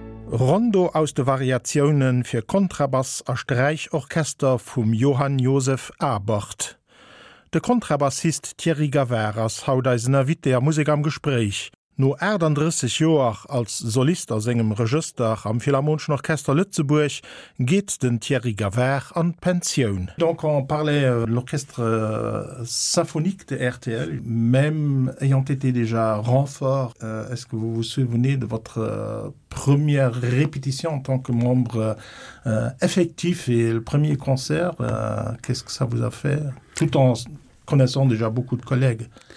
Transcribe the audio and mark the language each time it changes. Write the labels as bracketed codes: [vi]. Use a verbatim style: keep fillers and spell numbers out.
[lb] Rondo aus de Variationen fir Kontrabass a Sträichorchester vum Johann Josef Abert. De Kontrabassist Thierry Gavert ass haut als Navité a Musik am Gespräch. No erdandrissig Joer als Solist aus engem Register am Philharmonischen Orchester Lützeburg geht den Thierry Gavert an Pension. [fr] Donc on parlait euh, l'orchestre euh, symphonique de R T L, même ayant été déjà renfort. Euh, est-ce que vous vous souvenez de votre euh, première répétition en tant que membre euh, effectif et le premier concert euh, qu'est-ce que ça vous a fait, tout en connaissant déjà beaucoup de collègues?